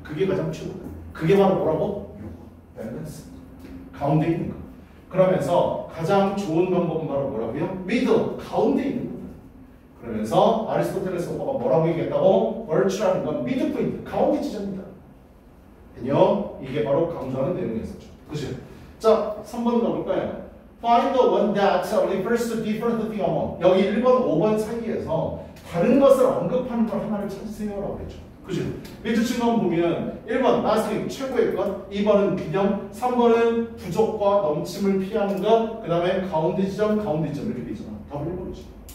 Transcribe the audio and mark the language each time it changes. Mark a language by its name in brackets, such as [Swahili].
[Korean] 그게 가장 최고예요. 그게 바로 뭐라고? 요거. 밸런스. 가운데 있는 거. 그러면서 가장 좋은 방법은 바로 뭐라고요? 믿음. 가운데 있는 거. 그러면서 아리스토텔레스 오빠가 뭐라고 얘기했다고? Virtue라는 건 미드 포인트, 가운데 지점입니다. 아니요? 이게 바로 강조하는 내용이었었죠. 그치? 자, 3번 넣어볼까요? [English] Find the one that refers to different thing among. [Korean] 여기 1번, 5번 사이에서 다른 것을 언급하는 걸 하나를 찾으세요 라고 했죠. 그치? 밑에 친구만 보면 1번, last thing, 최고의 것, 2번은 균형, 3번은 부족과 넘침을 피하는 것, 그 다음에 가운데 지점, 가운데 지점 이렇게 되잖아. 더블로그지.